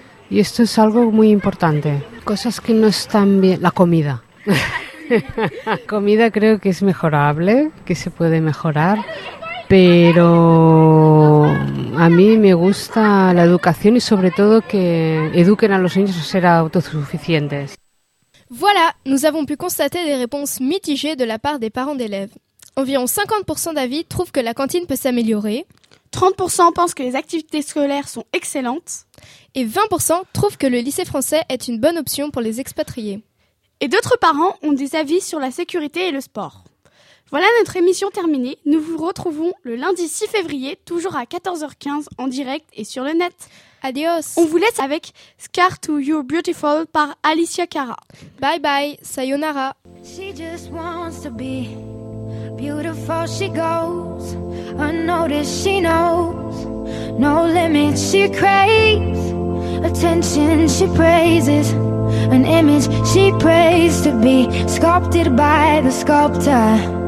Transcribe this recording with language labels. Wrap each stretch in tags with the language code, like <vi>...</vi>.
<es>Y esto es algo muy importante. Cosas que no están bien. La comida. Comida creo que es mejorable, que se puede mejorar. Pero a mí me gusta la educación y sobre todo que eduquen a los niños a ser autosuficientes.</es> <fr>Voilà, nous avons pu constater des réponses mitigées de la part des parents d'élèves. Environ 50% d'avis trouvent que la cantine peut s'améliorer. 30% pensent que les activités scolaires sont excellentes. Et 20% trouvent que le lycée français est une bonne option pour les expatriés. Et d'autres parents ont des avis sur la sécurité et le sport. Voilà notre émission terminée. Nous vous retrouvons le lundi 6 février, toujours à 14h15, en direct et sur le net.</fr> <es>Adios.</es> <fr>On vous laisse avec Scar to You Beautiful par Alicia Cara.</fr> <en>Bye bye,</en> <ja>sayonara.</ja> <en>She just wants to be beautiful, she goes unnoticed, she knows no limits, she craves attention, she praises an image, she prays to be sculpted by the sculptor.</en>